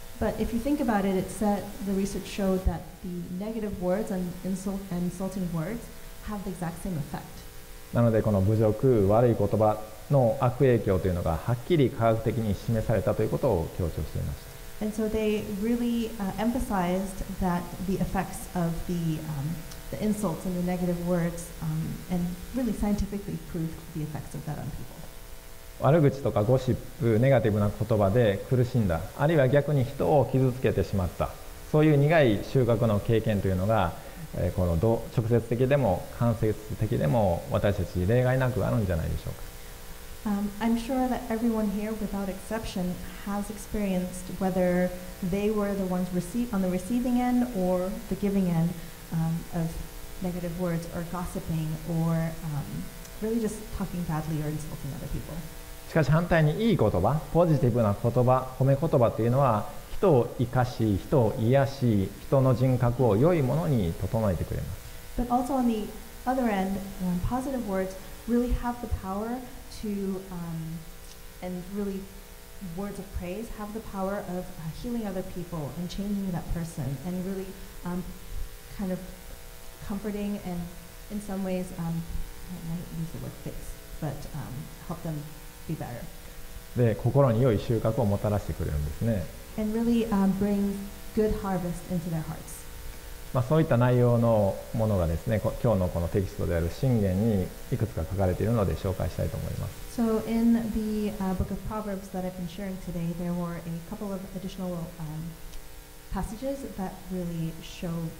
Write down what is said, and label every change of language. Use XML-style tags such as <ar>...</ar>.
<en>But if you think about it, it said the research showed that the negative words and insulting words have the exact same effect.</en> <ja>なのでこの侮辱、悪い言葉の悪影響というのがはっきり科学的に示されたということを強調していました。</ja> <en>And so they really emphasized that the effects of the insults and the negative words and really scientifically proved the effects of that on people.</en> <ja>悪口とかゴシップ、ネガティブな言葉で苦しんだ、あるいは逆に人を傷つけてしまった、そういう苦い収穫の経験というのが、この直接的でも間接的でも私たち例外なくあるんじゃないでしょうか。</ja> <en>I'm sure that everyone here, without exception, has experienced whether they were the ones on the receiving end or the giving end of negative words or gossiping or really just talking badly or insulting other people.</en> <ja>しかし反対にいい言葉、ポジティブな言葉、褒め言葉というのは人を生かし、人を癒し、人の人格を良いものに整えてくれます。</ja> <en>But also on the other end, positive words really have the power to, and really words of praise have the power of healing other people and changing that person and really kind of comforting and in some ways, I might use the word fix, but help them be better.</en> <ja>で、心に良い収穫をもたらしてくれるんですね。</ja> <en>And really bring good harvest into their hearts.</en> <ja>まあ、そういった内容のものがですね、今日のこのテキストである箴言にいくつか書かれているので紹介したいと思います。</ja> <en>So in the book of Proverbs that I've been sharing today, there were a couple of additional passages that really show that.</en>